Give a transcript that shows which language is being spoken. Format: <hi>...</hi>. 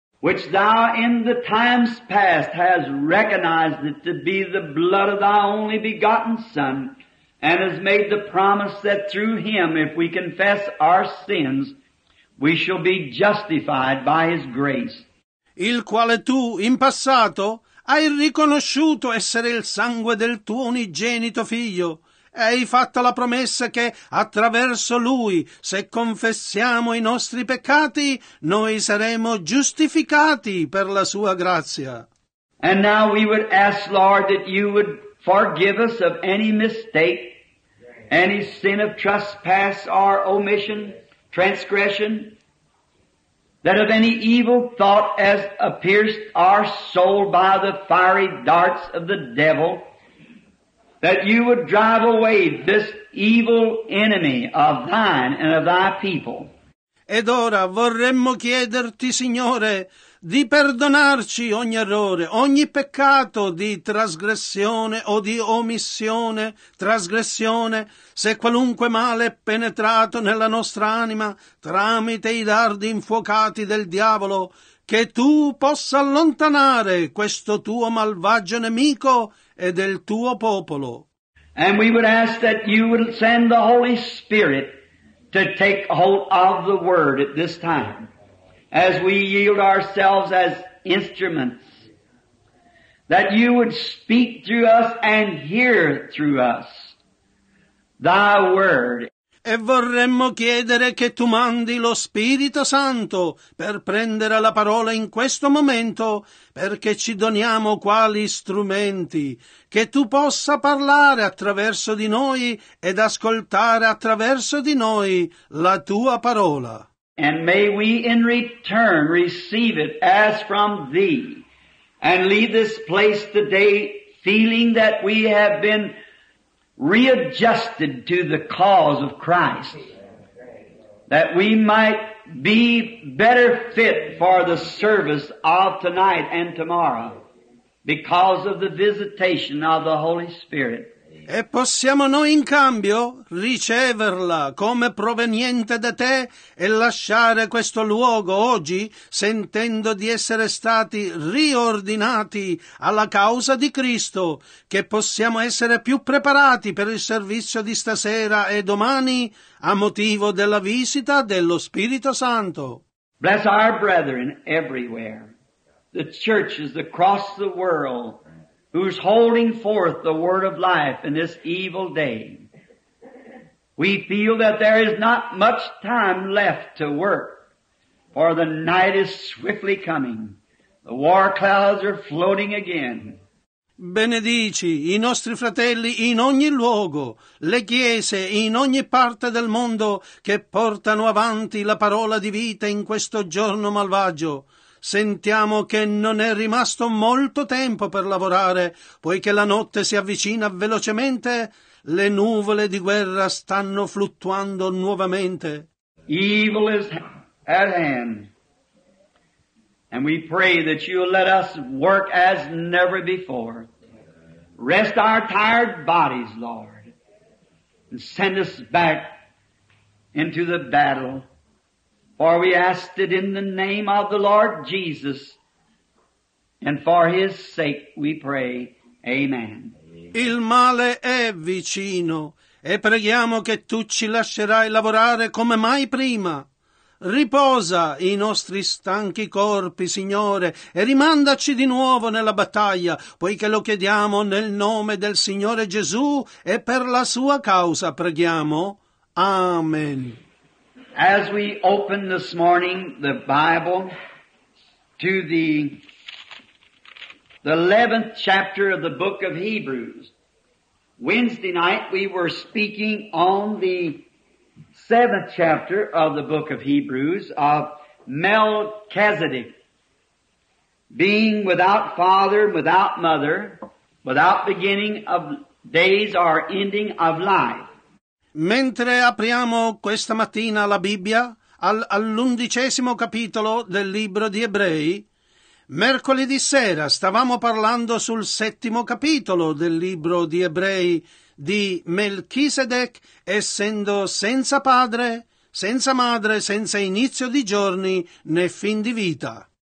<en>Which thou in the times past has recognized it to be the blood of thy only begotten Son, and has made the promise that through him, if we confess our sins, we shall be justified by his grace.</en> <it>Il quale tu, in passato, hai riconosciuto essere il sangue del tuo unigenito figlio, e hai fatto la promessa che attraverso lui, se confessiamo i nostri peccati, noi saremo giustificati per la sua grazia.</it> <en>And now we would ask, Lord, that you would forgive us of any mistake, any sin of trespass or omission, transgression, that of any evil thought as pierced our soul by the fiery darts of the devil, that you would drive away this evil enemy of thine and of thy people.</en> <it>Ed ora vorremmo chiederti, Signore, di perdonarci ogni errore, ogni peccato di trasgressione o di omissione, trasgressione, se qualunque male è penetrato nella nostra anima tramite i dardi infuocati del diavolo, che tu possa allontanare questo tuo malvagio nemico e del tuo popolo.</it> <en>And we would ask that you would send the Holy Spirit to take hold of the word at this time, as we yield ourselves as instruments, that you would speak through us and hear through us thy word.</en> <it>E vorremmo chiedere che tu mandi lo Spirito Santo per prendere la parola in questo momento, perché ci doniamo quali strumenti, che tu possa parlare attraverso di noi ed ascoltare attraverso di noi la tua parola.</it> <en>And may we in return receive it as from thee, and leave this place today feeling that we have been readjusted to the cause of Christ, that we might be better fit for the service of tonight and tomorrow because of the visitation of the Holy Spirit.</en> <it>E possiamo noi in cambio riceverla come proveniente da te e lasciare questo luogo oggi sentendo di essere stati riordinati alla causa di Cristo, che possiamo essere più preparati per il servizio di stasera e domani a motivo della visita dello Spirito Santo.</it> <en>Bless our brethren everywhere, the churches across the world, who's holding forth the word of life in this evil day. We feel that there is not much time left to work, for the night is swiftly coming. The war clouds are floating again.</en> <it>Benedici i nostri fratelli in ogni luogo, le chiese in ogni parte del mondo che portano avanti la parola di vita in questo giorno malvagio. Sentiamo che non è rimasto molto tempo per lavorare, poiché la notte si avvicina velocemente, le nuvole di guerra stanno fluttuando nuovamente.</it> <en>Evil is at hand, and we pray that you let us work as never before. Rest our tired bodies, Lord, and send us back into the battle. For we ask it in the name of the Lord Jesus, and for his sake we pray. Amen.</en> <it>Il male è vicino, e preghiamo che tu ci lascerai lavorare come mai prima. Riposa i nostri stanchi corpi, Signore, e rimandaci di nuovo nella battaglia, poiché lo chiediamo nel nome del Signore Gesù, e per la sua causa preghiamo. Amen.</it> <en>As we open this morning the Bible to the 11th chapter of the book of Hebrews, Wednesday night we were speaking on the 7th chapter of the book of Hebrews of Melchizedek, being without father, without mother, without beginning of days or ending of life.</en> <it>Mentre apriamo questa mattina la Bibbia, all'undicesimo capitolo del libro di Ebrei, mercoledì sera stavamo parlando sul settimo capitolo del libro di Ebrei di Melchisedec, essendo senza padre, senza madre, senza inizio di giorni né fin di vita.</it>